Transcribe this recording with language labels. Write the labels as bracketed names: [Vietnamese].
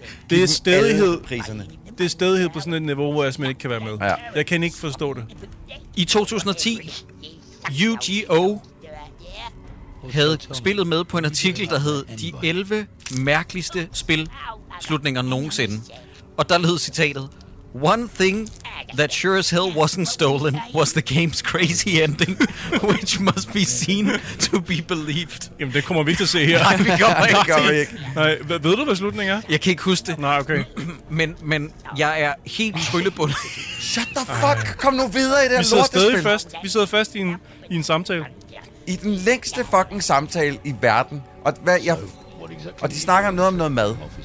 [Danish] Det er stædighed. Priserne. Det er stædighed på sådan et niveau, hvor jeg simpelthen ikke kan være med. Ja. Jeg kan ikke forstå det. I 2010, UGO havde spillet med på en artikel, der hed De 11 mærkeligste spilslutninger nogensinde. Og der lød citatet: [English] One thing that sure as hell wasn't stolen was the game's crazy ending, which must be seen to be believed. [Danish] Jamen, det kommer vi ikke til at se her. Nej, vi kommer ikke. Nej, ved du, hvad slutningen er? Jeg kan ikke huske det. Nej, okay. Men jeg er helt tryllebundet. [English] Shut the fuck! [Danish] Kom nu videre i det her lortespil. Vi sidder fast i en samtale. I den længste fucking samtale i verden. Og de snakker noget om noget mad.